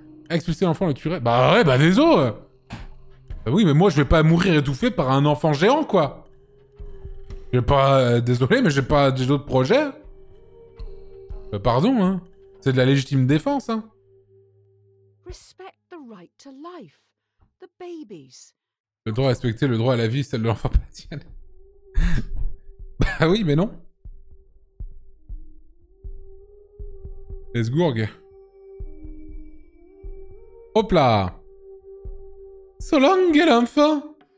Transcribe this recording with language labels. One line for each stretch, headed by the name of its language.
French: Expulser l'enfant le tuerait. Bah ouais, bah désolé. Bah oui, mais moi, je vais pas mourir étouffé par un enfant géant, quoi. J'ai pas... désolé, mais j'ai pas d'autres projets. Bah pardon, hein. C'est de la légitime défense, hein.
English: Respect the right to life. The babies.
French: Le droit à respecter le droit à la vie, celle de l'enfant patient. Bah oui, mais non. Les Gourg. Hop là.
English: So long,
French: l'enfant.